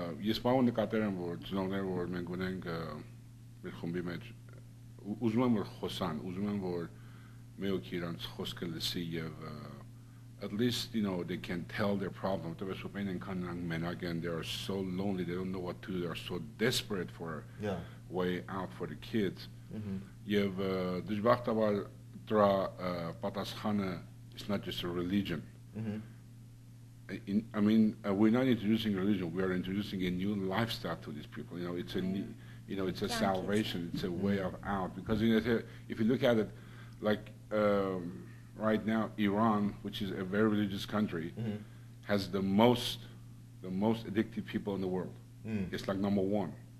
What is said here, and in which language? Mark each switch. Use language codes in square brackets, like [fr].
[hy] Ես ցանկանում եմ նկատել, որ ծնողները, որ մենք ունենք մեր խմբի մեջ, ուզում եմ որ խոսան, ուզում եմ որ մեյոքի իրենց խոսքը լսի, եւ [en] at least, you know, they can tell their problem. They are so lonely, they don't know what to do, they are so desperate for a way out for the kids. [hy] Եվ դժբախտաբար դրա պատասխանը [en] is not just a religion. We're not introducing religion, we are introducing a new lifestyle to these people. You know, it's a new, you know, it's a salvation, it's a way of out. Because, you know, if you look at it, like, right now, Iran, which is a very religious country, has the most addicted people in the world. It's like number one.